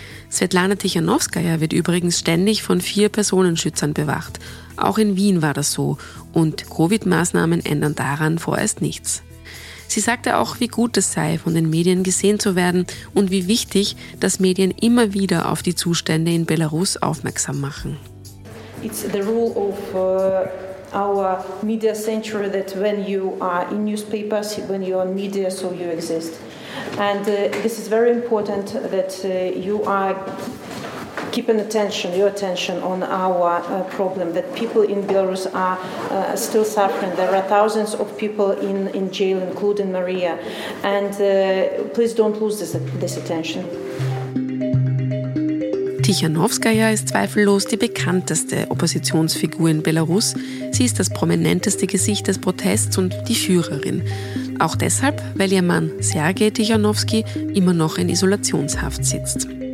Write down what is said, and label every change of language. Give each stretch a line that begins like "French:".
German: Svetlana Tichanowskaja wird übrigens ständig von 4 Personenschützern bewacht. Auch in Wien war das so und Covid-Maßnahmen ändern daran vorerst nichts. Sie sagte auch, wie gut es sei, von den Medien gesehen zu werden und wie wichtig, dass Medien immer wieder auf die Zustände in Belarus aufmerksam machen.
English: It's the rule of our media century that when you are in newspapers, when you are media, so you exist. And this is very important that you are keeping attention, your attention on our problem, that people in Belarus are still suffering. There are thousands of people in jail, including Maria. And please don't lose this attention.
German: Tichanowskaja ist zweifellos die bekannteste Oppositionsfigur in Belarus. Sie ist das prominenteste Gesicht des Protests und die Führerin. Auch deshalb, weil ihr Mann Sergej Tichanowski immer noch in Isolationshaft sitzt.